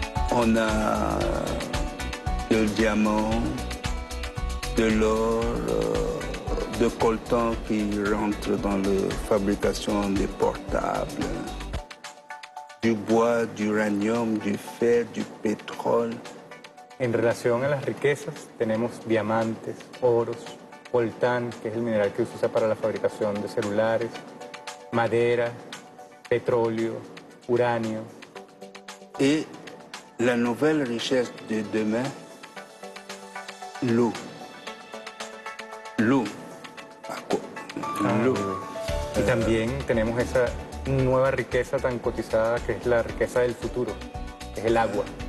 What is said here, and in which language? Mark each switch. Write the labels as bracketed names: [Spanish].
[French] On a le diamant, de l'or, de coltan qui rentre dans la fabrication des portables, du bois, du uranium, du fer, du pétrole. [Spanish] En relación a las riquezas, tenemos diamantes, oros, coltan, que es el mineral que se usa para la fabricación de celulares, madera, petróleo, uranio. [French] Y la nouvelle richesse de demain, l'eau. L'eau. [Spanish] Y también tenemos esa nueva riqueza tan cotizada que es la riqueza del futuro, que es el agua.